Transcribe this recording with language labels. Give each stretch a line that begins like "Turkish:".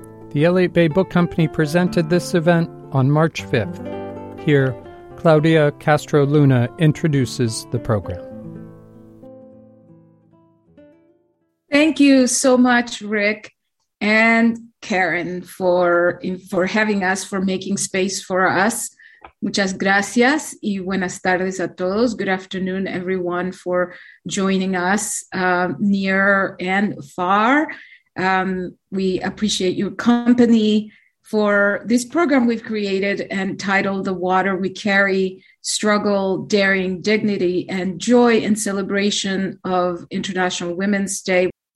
English: The Elliott Bay Book Company presented this event on March 5th. Here, Claudia Castro Luna introduces the program. Thank you so much, Rick and Karen, for having us, for making space for us.
Spanish: Muchas gracias y buenas tardes a todos.
English: Good afternoon, everyone, for joining us near and far. We appreciate your company for this program we've created and titled The Water We Carry: Struggle, Daring, Dignity, and Joy in Celebration of International Women's Day.